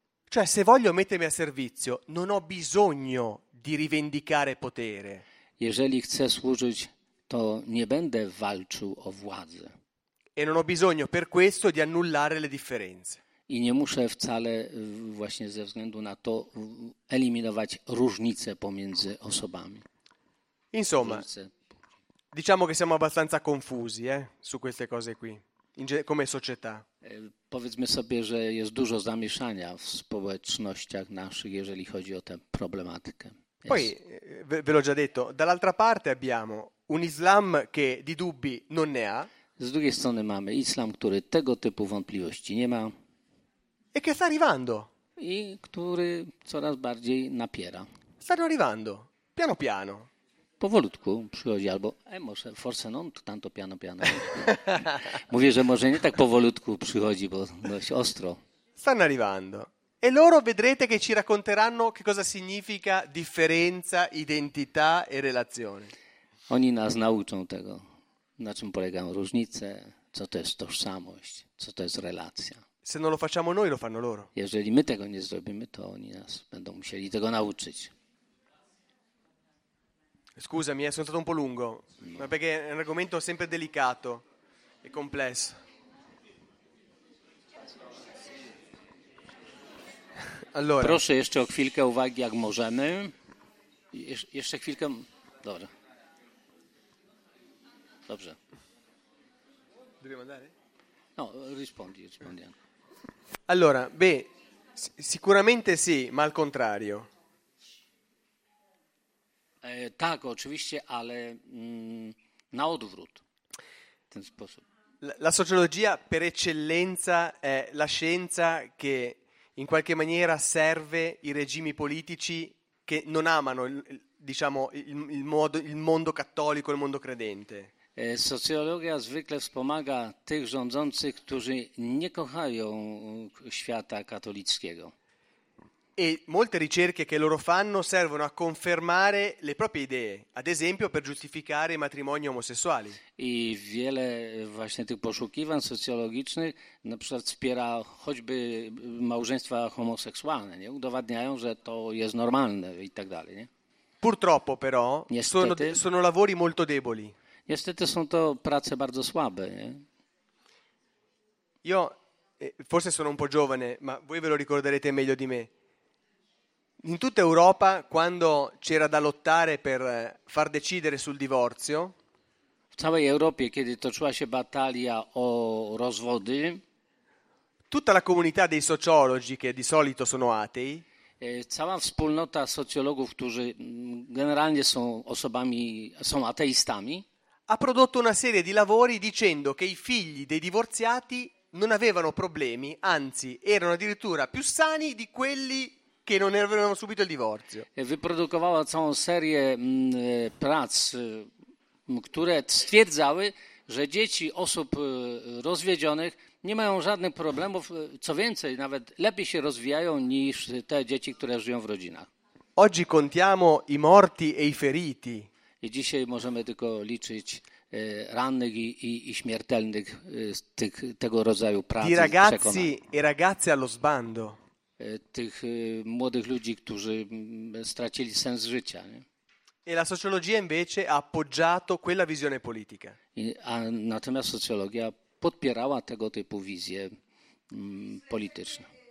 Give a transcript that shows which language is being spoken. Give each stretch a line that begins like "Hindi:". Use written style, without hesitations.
Italian: Cioè, se voglio mettermi a servizio, non ho bisogno di rivendicare potere.
Polish: Jeżeli chcę służyć, to nie będę walczył o władzę.
Italian: E non ho bisogno per questo di annullare le differenze.
Polish: I nie muszę wcale właśnie ze względu na to eliminować różnice pomiędzy osobami.
Italian: Insomma, diciamo che siamo abbastanza confusi su queste cose qui, come società.
Polish: Powiedzmy sobie, że jest dużo zamieszania w społecznościach naszych, jeżeli chodzi o tę problematykę.
Italian: Poi, ve l'ho già detto, dall'altra parte abbiamo un Islam che di dubbi non ne ha.
Polish: Z drugiej strony mamy Islam, który tego typu wątpliwości nie ma.
Italian: E che sta arrivando?
Polish: I który coraz bardziej napiera.
Italian: Stanno arrivando, piano piano.
Polish: Powolutku przychodzi, albo może
Italian: forse non tanto piano piano.
Polish: Mówię, że może nie tak powolutku przychodzi, bo dość ostro.
Italian: Stanno arrivando. E loro vedrete che ci racconteranno che cosa significa differenza, identità e relazione.
Polish: Oni nas nauczą tego, na czym polegają różnice, co to jest tożsamość, co to jest relacja.
Italian: Se non lo facciamo noi, lo fanno loro.
Polish: Jeżeli my tego nie zrobimy, to oni nas będą musieli tego nauczyć.
Italian: Scusami, sono stato un po' lungo, ma perché è un argomento sempre delicato e complesso. Allora.
Polish: Proszę jeszcze o chwilkę uwagi, jak możemy. Jeszcze chwilkę. Dobrze. Dobrze.
Italian: Dobbiamo andare? No, rispondi, rispondi. Allora, beh, sicuramente sì, ma al contrario.
Polish: Tak, oczywiście, ale na odwrót, w ten sposób.
Italian: La sociologia per eccellenza è la scienza che in qualche maniera serve i regimi politici che non amano, diciamo, il mondo cattolico, il mondo credente.
Polish: Socjologia zwykle wspomaga tych rządzących, którzy nie kochają świata katolickiego.
Italian: E molte ricerche che loro fanno servono a confermare le proprie idee, ad esempio per giustificare i matrimoni omosessuali.
Polish: I wiele właśnie tych poszukiwań socjologicznych na przykład wspiera choćby małżeństwa homoseksualne, nie? Udowadniają, że to jest normalne i tak dalej, nie?
Italian: Purtroppo però
Polish: niestety,
Italian: sono lavori molto deboli.
Polish: Niestety są to prace bardzo słabe, nie?
Italian: Io forse sono un po' giovane, ma voi ve lo ricorderete meglio di me. In tutta Europa, quando c'era da lottare per far decidere sul divorzio,
Polish: w całej Europie, kiedy toczyła się batalia o rozwody,
Italian: tutta la comunità dei sociologi, che di solito sono atei,
Polish: cała wspólnota socjologów, którzy generalnie są osobami, są ateistami,
Italian: ha prodotto una serie di lavori dicendo che i figli dei divorziati non avevano problemi, anzi, erano addirittura più sani di quelli che non avevano subito il divorzio.
Polish: Wyprodukowała całą serię prac, które stwierdzały, że dzieci osób rozwiedzionych nie mają żadnych problemów. Co więcej, nawet lepiej się rozwijają niż te dzieci, które żyją w rodzinach.
Italian: Oggi contiamo i morti e i feriti.
Polish: I dzisiaj możemy tylko liczyć rannych i śmiertelnych z tego rodzaju pracy.
Italian: I ragazzi e ragazze allo sbando.
Polish: Tych młodych ludzi, którzy stracili sens życia. Nie?
Italian: E la sociologia invece ha appoggiato quella visione politica.
Polish: Natomiast socjologia podpierała tego typu wizję polityczną.